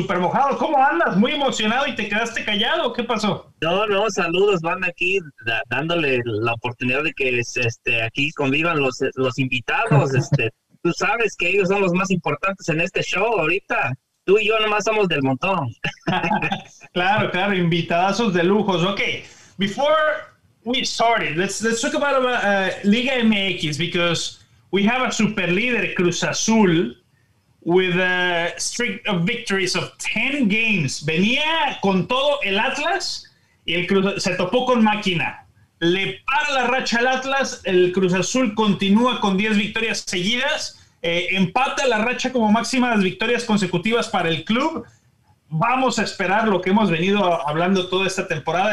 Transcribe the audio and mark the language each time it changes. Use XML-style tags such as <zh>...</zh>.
<es>Super mojado, ¿cómo andas? Muy emocionado y te quedaste callado, ¿qué pasó? No, saludos, van aquí dándole la oportunidad de que aquí convivan los invitados. Tú sabes que ellos son los más importantes en este show ahorita. Tú y yo nomás somos del montón. claro, invitadazos de lujos.</es> <en>Ok, before we started, let's talk about Liga MX, because we have a super líder, Cruz Azul, with a streak of victories of 10 games.</en> <es>Venía con todo el Atlas y el Cruz se topó con máquina. Le para la racha al Atlas, el Cruz Azul continúa con 10 victorias seguidas, empata la racha como máxima de las victorias consecutivas para el club. Vamos a esperar lo que hemos venido hablando toda esta temporada.</es>